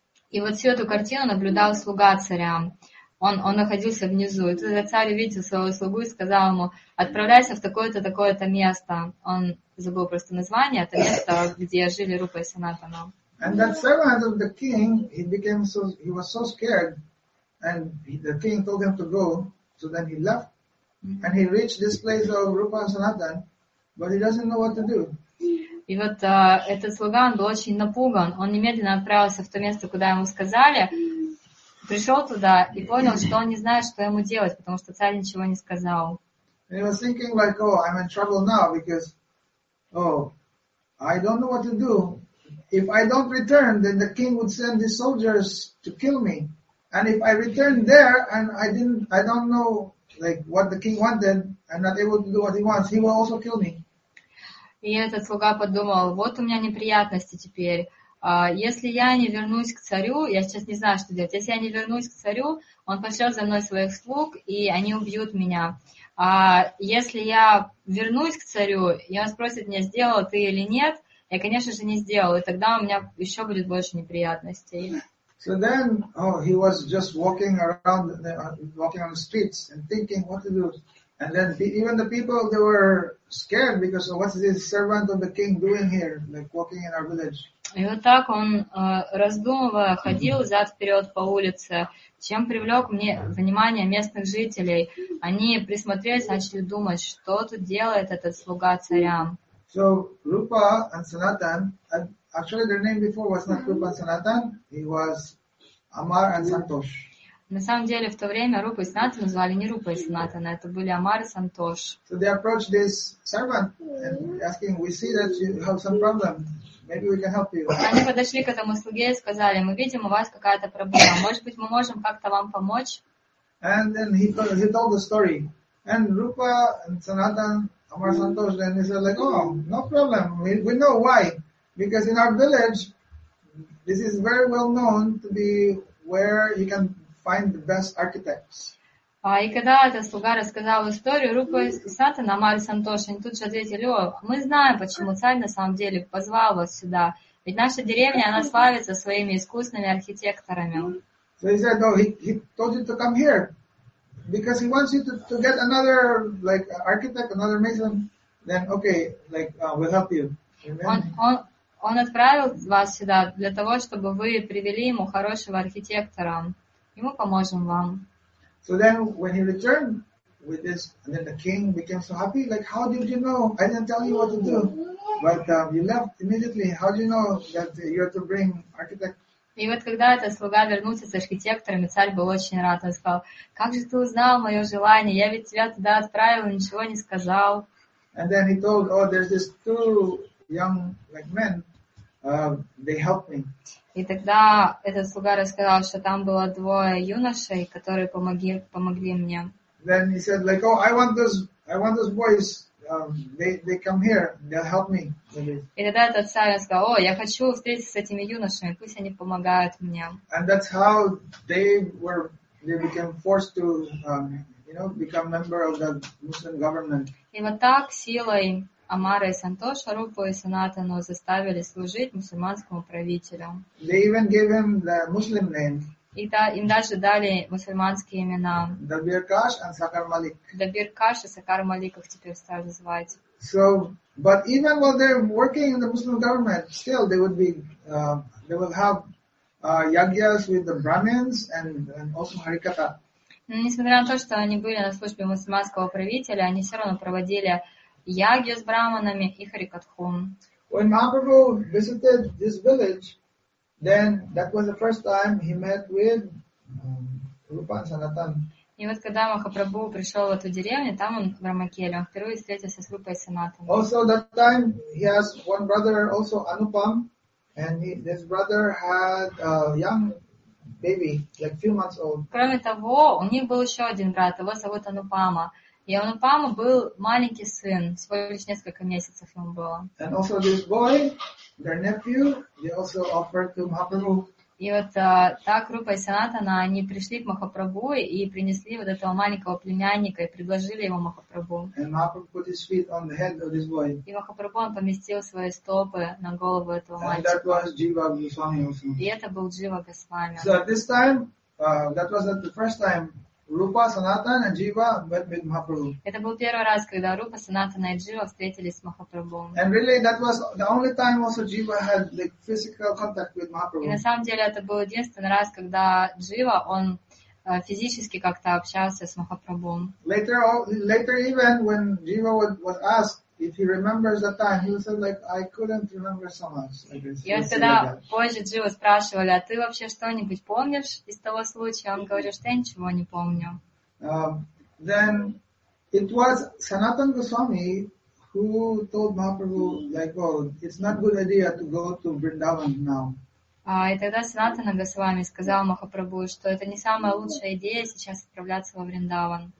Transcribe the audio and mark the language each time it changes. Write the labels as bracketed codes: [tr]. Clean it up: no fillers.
[ru] И вот всю эту картину наблюдал слуга царя. Он находился внизу. И тогда царь увидел своего слугу и сказал ему, отправляйся в такое-то, такое-то место. Он забыл просто название, это место, где жили Рупа и Санатана. [en] And that servant of the king, he was so scared. And the king told him to go, so then he left. And he reached this place of Rupa and Sanatana, but he doesn't know what to do. [ru] И вот этот слуга, он был очень напуган. Он немедленно отправился в то место, куда ему сказали. Пришел туда и понял, что он не знает, что ему делать, потому что царь ничего не сказал. [en] And he was thinking like, oh, I'm in trouble now, because, oh, I don't know what to do. If I don't return, then the king would send his soldiers to kill me. And if I return there and I don't know like what the king wanted, I'm not able to do what he wants, he will also kill me. [ru] И этот слуга подумал, вот у меня неприятности теперь. Если я не вернусь к царю, я сейчас не знаю, что делать. Если я не вернусь к царю, он пошлет за мной своих слуг, и они убьют меня. А если я вернусь к царю, и он спросит меня, сделал ты или нет, я, конечно же, не сделал. И тогда у меня еще будет больше неприятностей. [en] So then, he was just walking on the streets and thinking what to do. And then even the people, they were scared because what is this servant of the king doing here, like walking in our village? [ru] И вот так он раздумывая ходил взад вперед по улице, чем привлек мне внимание местных жителей. Они присмотрелись, начали думать, что тут делает этот слуга царя. [en] So Rupa and Sanatan, actually their name before was not Rupa and Sanatan, it was Amar and Santosh. [ru] На самом деле, в то время Рупа и Санатана называли не Рупа и Санатана, это были Амар и Сантош. [en] So they approached this servant and asking, we see that you have some problem, maybe we can help you. [ru] Они подошли к этому слуге и сказали, мы видим, у вас какая-то проблема, может быть, мы можем как-то вам помочь? [en] And then he told the story. And Rupa and Sanatana, Амар и Сантош, then they said like, oh, no problem, we know why. Because in our village, this is very well known to be where you can find the best architects. [ru] И когда этот слуга рассказал историю, Рупа и Санатана, Амар и Сантош, они тут же ответили, о, мы знаем, почему царь на самом деле позвал вас сюда. Ведь наша деревня, она славится своими искусными архитекторами. [en] So he said, oh, he told you to come here. Because he wants you to get another like architect, another mason. Then, okay, like, we'll help you. [ru] Он отправил вас сюда для того, чтобы вы привели ему хорошего архитектора. И мы поможем вам. [en] So then when he returned with this, and then the king became so happy, like, how did you know? I didn't tell you what to do. But you left immediately. How do you know that you're to bring architect? [ru] И вот когда этот слуга вернулся с архитекторами, царь был очень рад. Он сказал, как же ты узнал мое желание? Я ведь тебя туда отправил, ничего не сказал. [en] And then he told, oh, there's this two young like men. They helped me. [ru] И тогда этот слуга рассказал, что там было двое юношей, которые помогли мне. [en] Then he said, like, oh, I want those boys. They come here. They'll help me. [ru] И тогда этот царь сказал, о, я хочу встретиться с этими юношами, пусть они помогают мне. [en] And that's how they became forced to, become member of the Muslim government. [ru] И вот так силой Амара и Сантоша, Рупу и Санатану заставили служить мусульманскому правителю. They even gave him the Muslim name. И им даже дали мусульманские имена. Дабир Каш и Сакар Малик. Дабир Каш и Сакар Малик их теперь стали звать. [en] So, but even while they're working in the Muslim government, still they will have yagyas with the Brahmins and also Harikata. [ru] Несмотря на то, что они были на службе мусульманского правителя, они все равно проводили Ягья с браманами и харикатхум. [en] When Mahaprabhu visited this village, then that was the first time he met with Rupa and Sanatan. [ru] И вот когда Махапрабху пришел в эту деревню, там он в Рамакеле, он впервые встретился с Рупой и Санатаном. [en] Also that time he has one brother also Anupam, and this brother had a young baby, like few months old. [ru] Кроме того, у них был еще один брат, его зовут Анупама. И у Анупамы был маленький сын, всего лишь несколько месяцев ему было. [en] And also this boy, their nephew, they also offered to Mahaprabhu. [ru] И вот так Рупа и Санатана, они пришли к Махапрабху и принесли вот этого маленького племянника и предложили ему Махапрабху. [en] And Mahaprabhu put his feet on the head of this boy. [ru] И Махапрабху, он поместил свои стопы на голову этого мальчика. [en] And that was Jiva Goswami also. [ru] И это был Джива Госвами. [en] So at this time, that was not the first time Rupa, Sanatan and Jiva met with Mahaprabhu. [ru] Это был первый раз, когда Рупа, Санатана и Джива встретились с Махапрабху. [en] And really, that was the only time also Jiva had like physical contact with Mahaprabhu. [ru] И на самом деле это был единственный раз, когда Джива он физически как-то общался с Махапрабху. [en] Later even when Jiva was asked if he remembers that time, he said like, I couldn't remember so much. [ru] И вот когда позже Джива спрашивали, а ты вообще что-нибудь помнишь из того случая? Он говорил, что я ничего не помню. [en] Then it was Sanatan Goswami who told Mahaprabhu, like, oh, it's not good idea to go to Vrindavan now. [ru] И тогда Санатана Госвами сказал Махапрабху, что это не самая лучшая идея сейчас отправляться во Вриндаван.